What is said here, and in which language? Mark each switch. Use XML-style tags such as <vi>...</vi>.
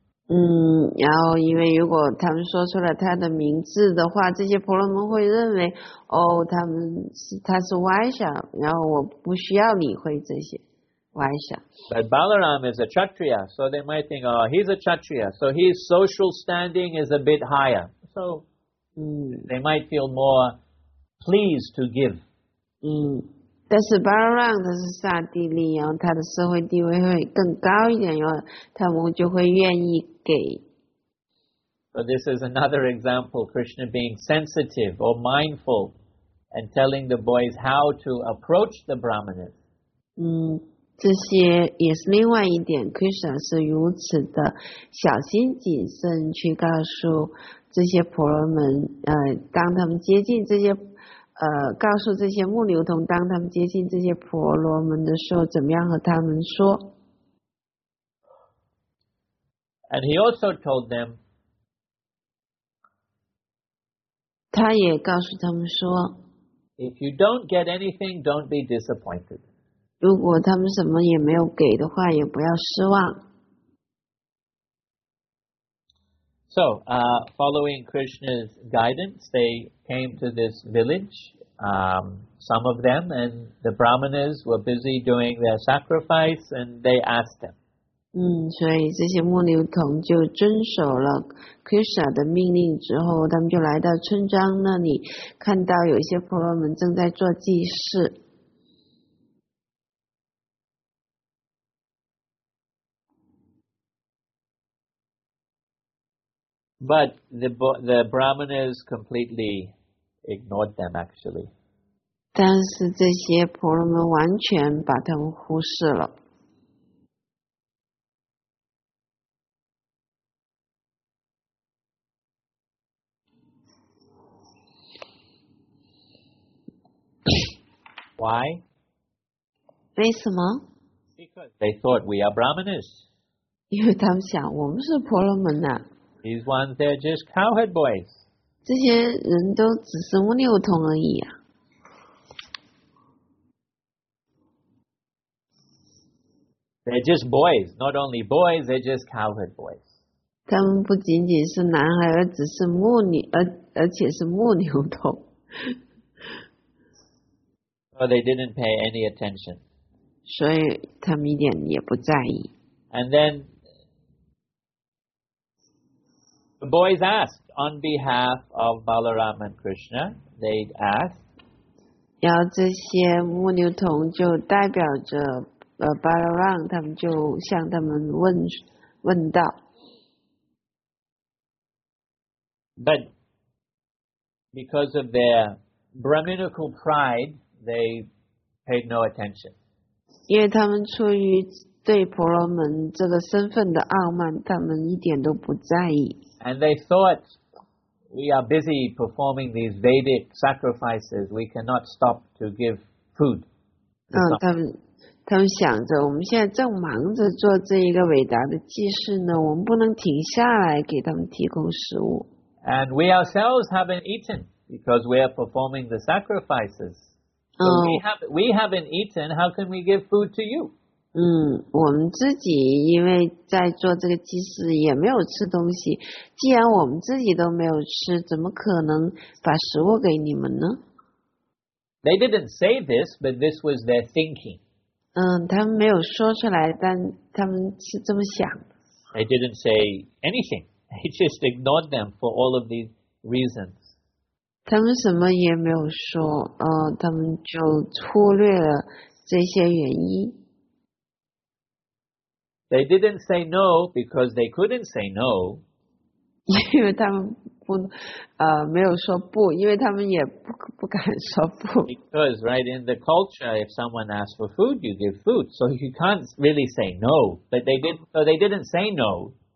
<zh>然后因为如果他们说出了他的名字的话，这些婆罗门会认为，哦，他是 Vaishya， 然后我不需要理会这些 Vaishya。</zh> <en>But Balaram is a Kshatriya, so they might think, oh, he's a Kshatriya, so his social standing is a bit higher. So, they might feel more pleased to give.</en> <zh>但是 Balaram 他是刹帝利，然后他的社会地位会更高一点，然后他们就会愿意。</zh> <en>So this is another example, Krishna being sensitive or mindful and telling the boys how to approach the brahmanas.</en> <zh>这些也是另外一点， Krishna 是如此的小心谨慎去告诉这些婆罗门，当他们接近这些告诉这些牧牛童，当他们接近这些婆罗门的时候，怎么样和他们说。</zh> <en>And he also told them,</en> <zh>他也告诉他们说，</zh> <en>if you don't get anything, don't be disappointed.</en> <zh>如果他们什么也没有给的话，也不要失望。</zh> <en>So, following Krishna's guidance, they came to this village, some of them, and the brahmanas were busy doing their sacrifice, and they asked him.</en> <zh>所以这些牧牛童就遵守了 Krishna 的命令之后，他们就来到村庄那里，看到有一些婆罗门正在做祭祀。</zh> <en>But the brahmanas completely ignored them, actually.</en> <zh>但是这些婆罗门完全把他们忽视了。</zh> <en>Why?</en> <zh>为什么？</zh> <en>Because they thought we are brahmanas.</en> <zh>因为他们想我们是婆罗门呐。</zh> <en>These ones, they're just cowherd boys.</en> <zh>这些人都只是牧牛童而已啊。</zh> <en>They're just boys, not only boys, they're just cowherd boys.</en> <zh>他们不仅仅是男孩，而只是牧牛，而且是牧牛童。</zh> <en>So they didn't pay any attention.</en> <zh>所以他们一点也不在意。</zh> <en>And then the boys asked on behalf of Balaram and Krishna. They asked.</en> <zh>然后这些牧牛童就代表着Balaram， 他们就向他们问道。</zh> <en>But because of their Brahminical pride. They paid no attention.</en> <zh>因为他们出于对婆罗门这个身份的傲慢，他们一点都不在意。</zh> <en>And they thought, we are busy performing these Vedic sacrifices. We cannot stop to give food.</en> <zh>他们想着，我们现在正忙着做这一个伟大的祭事呢，我们不能停下来给他们提供食物。</zh> <en>And we ourselves haven't eaten because we are performing the sacrifices. So we haven't eaten. How can we give food to you?</en> <zh>我们自己因为在做这个祭事也没有吃东西，既然我们自己都没有吃，怎么可能把食物给你们呢？</zh> <en>They didn't say this, but this was their thinking.</en> <zh>他们没有说出来，但他们是这么想。</zh> <en>They didn't say anything. They just ignored them for all of these reasons.</en> <zh>他们什么也没有说，他们就忽略了这些原因。</zh> <en>They didn't say no because they couldn't say no.</en> <zh>因为他们不，没有说不，因为他们也不敢说不。</zh> <en>Because right in the culture, if someone asks for food, you give food, so you can't really say no. But they didn't, so they didn't say no.</en>